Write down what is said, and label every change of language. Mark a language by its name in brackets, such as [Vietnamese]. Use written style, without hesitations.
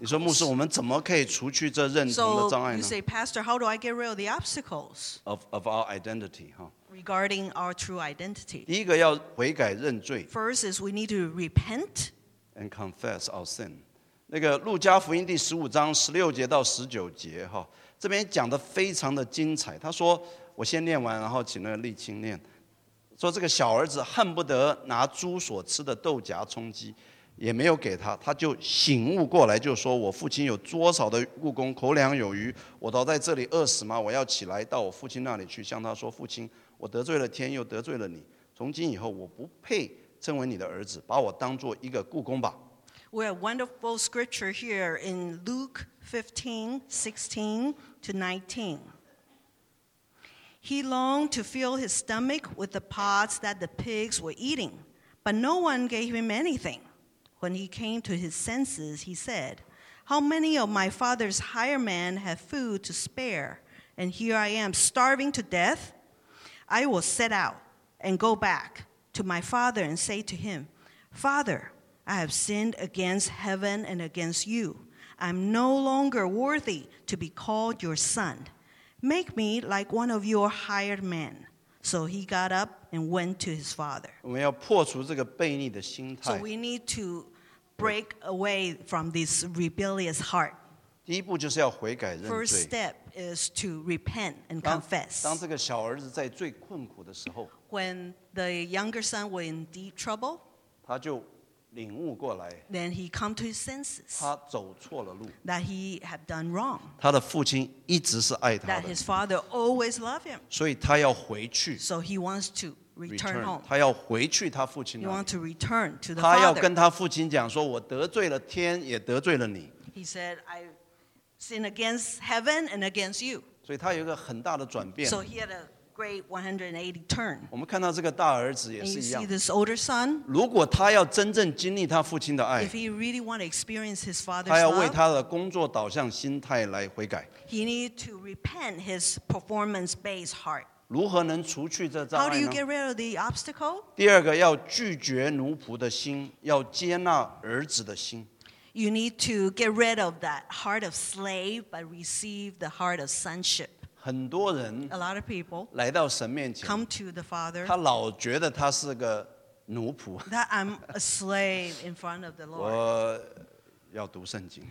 [Chinese] 你说牧师我们怎么可以除去这认同的障碍呢 [English] So you say, Pastor, how do I get rid of the obstacles? Of our identity, huh? Regarding our true identity [Chinese] 第一个要悔改认罪 [English] First is we need to repent And confess our sin [Chinese] 那个路加福音第十五章十六节到十九节这边讲得非常的精彩他说我先念完然后请那个立青念说这个小儿子恨不得拿猪所吃的豆荚充饥也没有给他他就醒悟过来就说我父亲有多少的务工口粮有余我倒在这里饿死吗我要起来到我父亲那里去向他说父亲我得罪了天又得罪了你从今以后我不配称为你的儿子把我当作一个务工吧 [English] We have wonderful scripture here in Luke 15:16-19He longed to fill his stomach with the pods that the pigs were eating, but no one gave him anything. When he came to his senses, he said, How many of my father's hired men have food to spare? And here I am starving to death. I will set out and go back to my father and say to him, Father, I have sinned against heaven and against you. I'm no longer worthy to be called your son. Make me like one of your hired men. So he got up and went to his father. [Chinese] 我们要破除这个悖逆的心态。 [English] So we need to break away from this rebellious heart. [Chinese] 第一步就是要悔改认罪。 [English] First step is to repent and confess. [Chinese] 当这个小儿子在最困苦的时候。 [English] When the younger son was in deep trouble. [Chinese] 他就领悟过来。 [English] Then he come to his senses. [Chinese] 他走错了路。 [English] That he had done wrong. [Chinese] 他的父亲一直是爱他的。 [English] That his father always loved him. [Chinese] 所以他要回去。 [English] So he wants to return home. [Chinese] 他要回去他父亲那里。 [English] He wants to return to the father. [Chinese] 他要跟他父亲讲说我得罪了天也得罪了你。 [English] He said, I sinned against heaven and against you. [Chinese] 所以他有一个很大的转变。 [English] So he had a great 180 turn. [Chinese] 我们看到这个大儿子也是一样。 [English] And you see this older son? [Chinese] 如果他要真正经历他父亲的爱 [English] If he really want to experience his father's love, [Chinese] 他要为他的工作导向心态来悔改。 [English] He need to repent his performance-based heart. [Chinese] 如何能除去这障碍呢？ [English] How do you get rid of the obstacle? [Chinese] 第二个，要拒绝奴仆的心，要接纳儿子的心。 [English] You need to get rid of that heart of slave, but receive the heart of sonship. [Chinese] 很多人 [English] A lot of people [Chinese] 来到神面前 [English] come to the Father. [Chinese] 他老觉得他是个奴仆 [English] That I'm a slave in front of the Lord. [Chinese] 我要读圣经